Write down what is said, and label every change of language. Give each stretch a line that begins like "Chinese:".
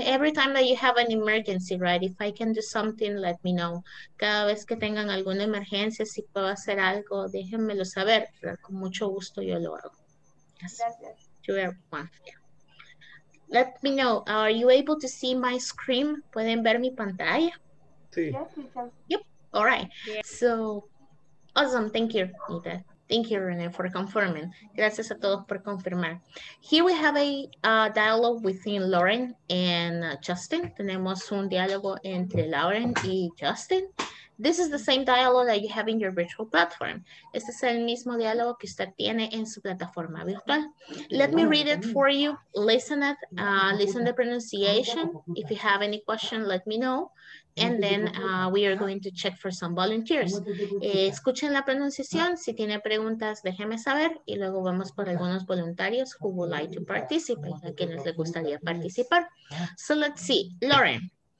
English: Every time that you have an emergency, right? If I can do something, let me know.
Spanish: Cada vez que tengan alguna emergencia, si puedo hacer algo, déjenmelo saber. Con mucho gusto yo lo hago.
English: Yes. To everyone. Let me know. Are you able to see my screen?
Spanish: ¿Pueden ver mi pantalla? Sí.
English: Yep. All right. Yeah. So, awesome. Thank you, Nita. Thank you, René, for confirming.
Spanish: Gracias a todos por confirmar.
English: Here we have a dialogue between Lauren and Justin.
Spanish: Tenemos un diálogo entre Lauren y Justin.
English: This is the same dialogue that you have in your virtual platform.
Spanish: Este es el mismo diálogo que usted tiene en su plataforma virtual.
English: Let me read it for you. Listen it. Listen the pronunciation. If you have any question, let me know. And then we are going to check for some volunteers.
Spanish: Escuchen la pronunciación. Si tiene preguntas, déjeme saber. Y luego vamos por algunos voluntarios
English: who would like to participate.
Spanish: A quienes les gustaría participar.
English: So let's see.
Spanish: Lauren.